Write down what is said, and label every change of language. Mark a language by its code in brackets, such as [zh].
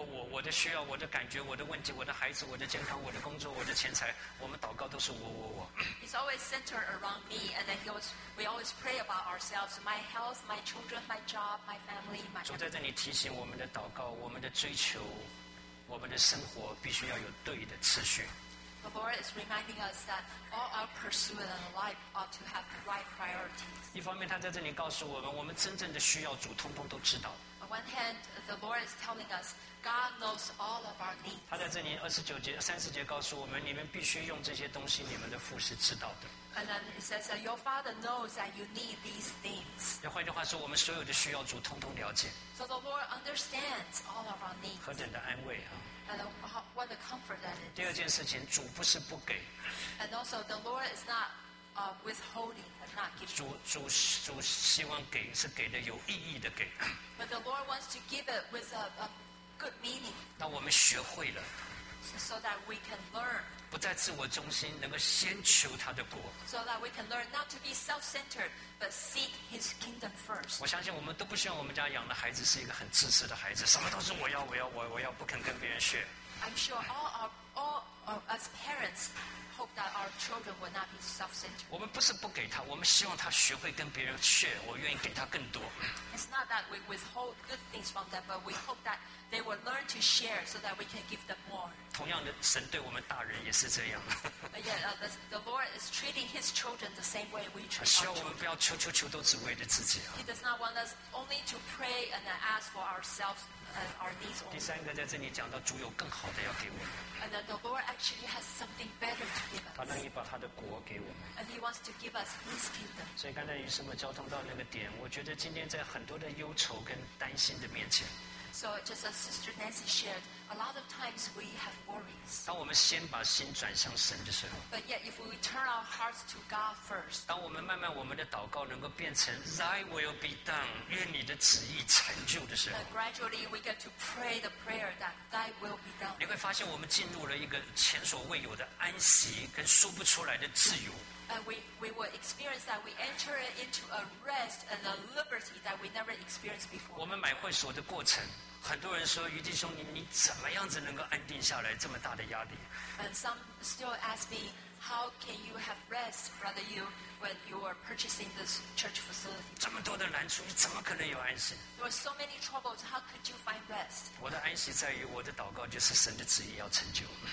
[zh] 我的需要，我的感觉，我的问题，我的孩子，我的健康，我的工作，我的钱财，我们祷告都是我。 [en] He's always centered around me, and then we always pray about ourselves, my health, my children, my job, my family, my. [zh] 主在这里提醒我们的祷告，我们的追求，我们的生活必须要有对的次序。 [en] The Lord is reminding us that all our pursuit in life ought to have the right priorities. [zh] 一方面，他在这里告诉我们，我们真正的需要主通通都知道。 [en] On one hand, the Lord is telling us God knows all of our needs. [zh] 他在这里29节、30节告诉我们，你们必须用这些东西，你们的父是知道的。 [en] And then it says that your Father knows that you need these things. [zh] 换句话说，我们所有的需要主通通了解。 [en] So the Lord understands all of our needs. [zh] 何等的安慰啊！ [en] And what a comfort that is. [zh] 第二件事情，主不是不给。 [en] And also, the Lord is not withholding, but not giving. [zh] 主希望给是给的有意义的给。 [en] But the Lord wants to give it with a good meaning. [zh] 那我们学会了。 [en] So that we can learn. [zh] 不在自我中心，能够先求他的国。 [en] So that we can learn not to be self-centered, but seek His kingdom first. [zh] 我相信我们都不希望我们家养的孩子是一个很自私的孩子，什么都是我要，不肯跟别人学。 [en] I'm sure all us parents hope that our children will not be self-centered. [zh] 我们不是不给他，我们希望他学会跟别人学。我愿意给他更多。 [en] It's not that we withhold good things from them, but we hope that they will learn to share so that we can give them more. [zh] 同样的，神对我们大人也是这样。 [en] the Lord is treating His children the same way we treat our children. [zh] 希望我们不要求都只为了自己。 [en] He does not want us only to pray and ask for ourselves. [zh] 第三个在这里讲到主有更好的要给我们。 [en] And the Lord actually has something better to give us. [zh] 他愿意把他的国给我们。 [en] And He wants to give us His kingdom. [zh] 所以刚才于师母交通到那个点，我觉得今天在很多的忧愁跟担心的面前。 [en] So just as Sister Nancy shared, a lot of times we have worries. [zh] 当我们先把心转向神的时候。 [en] But yet, if we turn our hearts to God first. [zh] 当我们慢慢我们的祷告能够变成 [en] Thy will be done, [zh] 愿你的旨意成就的时候。 [en] Gradually, we get to pray the prayer that Thy will be done. [zh] 你会发现我们进入了一个前所未有的安息跟说不出来的自由。 [en] And we will experience that we enter into a rest and a liberty that we never experienced before. [zh] 我们买会所的过程，很多人说，余弟兄，你怎么样子能够安定下来？这么大的压力。 [en] And some still ask me, how can you have rest, Brother Yu, when you are purchasing this church facility? [zh] 这么多的难处，你怎么可能有安息？ [en] There are so many troubles. How could you find rest? [zh] 我的安息在于我的祷告，就是神的旨意要成就。